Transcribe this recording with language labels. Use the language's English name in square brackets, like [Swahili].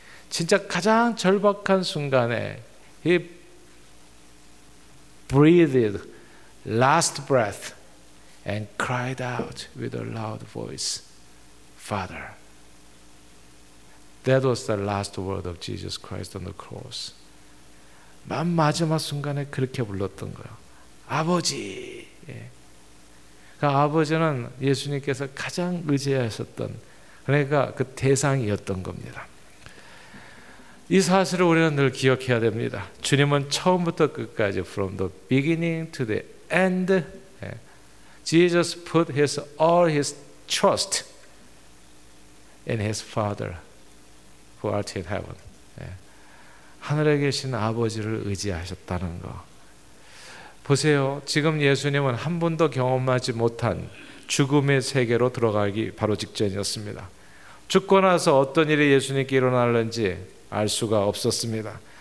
[Korean] 진짜 가장 절박한 순간에 [English] he breathed last breath and cried out with a loud voice, Father. That was the last word of Jesus Christ on the cross. [Korean] 맨 마지막 순간에 그렇게 불렀던 거예요. 아버지! 예. 그 아버지는 예수님께서 가장 의지하셨던 그러니까 그 대상이었던 겁니다. 이 사실을 우리는 늘 기억해야 됩니다. 주님은 처음부터 끝까지 [English] from the beginning to the end Jesus put his all his trust in his Father who art in heaven. [Korean] 하늘에 계신 아버지를 의지하셨다는 거 보세요. 지금 예수님은 한 번도 경험하지 못한 죽음의 세계로 들어가기 바로 직전이었습니다. 죽고 나서 어떤 일이 예수님께 일어날는지 알 수가 없었습니다.